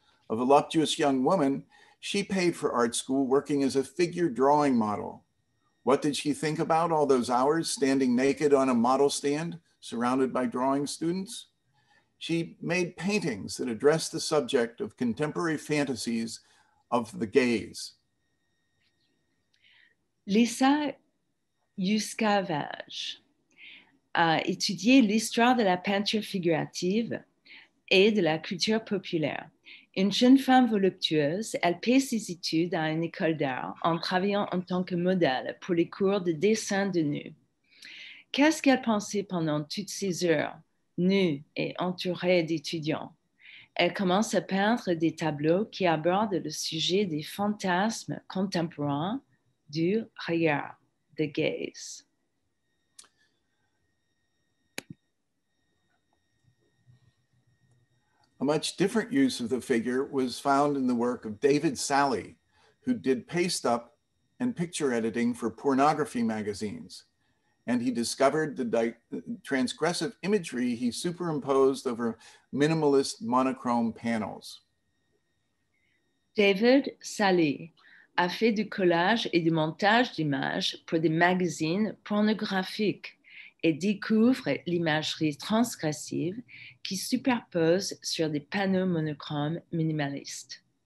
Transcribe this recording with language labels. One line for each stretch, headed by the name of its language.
English: A voluptuous young woman, she paid for art school working as a figure drawing model. What did she think about all those hours standing naked on a model stand surrounded by drawing students? She made paintings that addressed the subject of contemporary fantasies of the gaze.
French: Lisa Yuskevich a étudié l'histoire de la peinture figurative et de la culture populaire. Une jeune femme voluptueuse, elle paie ses études à une école d'art en travaillant en tant que modèle pour les cours de dessin de nu. Qu'est-ce qu'elle pensait pendant toutes ces heures, nue et entourée d'étudiants? Elle commence à peindre des tableaux qui abordent le sujet des fantasmes contemporains du regard,
English: the gaze. A much different use of the figure was found in the work of David Sally, who did paste-up and picture editing for pornography magazines. And he discovered the transgressive imagery he superimposed over minimalist monochrome panels.
French: David Sally a fait du collage et du montage d'images pour des magazines pornographiques et découvre l'imagerie transgressive qui superpose sur des panneaux monochromes minimalistes.